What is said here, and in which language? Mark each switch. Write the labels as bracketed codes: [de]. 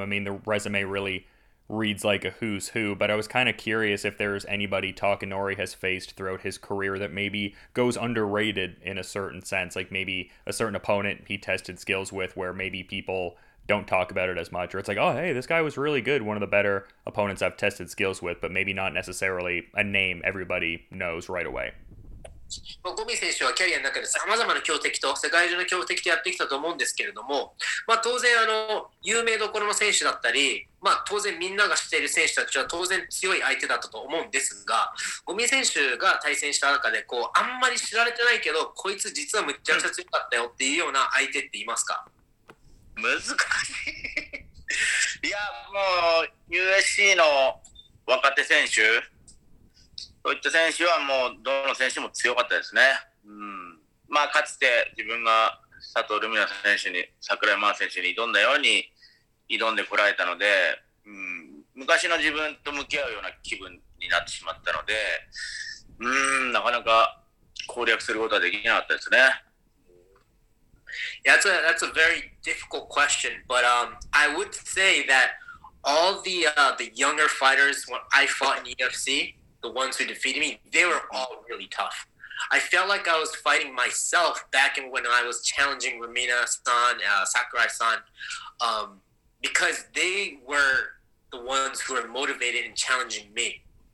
[en] I mean, the resume really reads like a who's who, but I was kind of curious if there's anybody Takanori has faced throughout his career that maybe goes underrated in a certain sense, like maybe a certain opponent he tested skills with where maybe people don't talk about it as much, or it's like, oh, hey, this guy was really good, one of the better opponents I've tested skills with, but maybe not necessarily a name everybody knows right away. [ja] まあ、ゴミ選手はキャリアの中でさまざまな強敵と世界中の強敵とやってきたと思うんですけれども、まあ、当然あの有名どころの選手だったり、まあ、当然みんなが知っている選手たちは当然強い相手だったと思うんですが、ゴミ選手が対戦した中でこうあんまり知られてないけどこいつ実はむっちゃくちゃ強かったよっていうような相手っていますか？難しい。いやもう USC の若手選手、そういった選手はもうどの選手も強かったですね。うん、まあかつて自分が佐藤ルミナ選手に桜井真選手に挑んだように挑んでこられたので、うん、昔の自分と向き合うような気分になってしまったので、なかなか攻略することはできなかったですね。 [en] Yeah, that's a very difficult question, but I would say that all the younger fighters when I fought in UFC. The ones who defeated me, they were all really tough. I felt like I was fighting myself back in when I was challenging Rumina-san, Sakurai-san, because they were the ones who were motivated and challenging me.